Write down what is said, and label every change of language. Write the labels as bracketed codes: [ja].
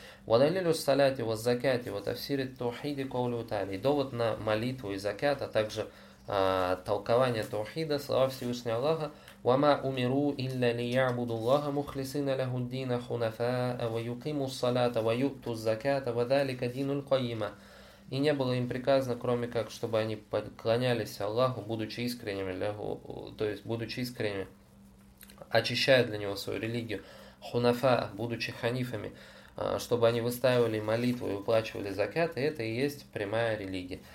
[ar] Вадалилю саляти ва закяти ва тафсири тухиди каулю тали. [ru] Довод на молитву и закят, а также толкование тухида, слова Всевышнего Аллаха. [ar] وما أمروا إلا ليعبدوا الله مخلصين له الدين حنفاء ويقيموا الصلاة ويؤتوا الزكاة وذلك دين القيمة. [ru] И не было им приказано, кроме как, чтобы они поклонялись Аллаху, будучи искренними, то есть будучи искренними, очищая для него свою религию, хунафа, будучи ханифами, чтобы они выстаивали молитву и уплачивали закят, и это и есть прямая религия.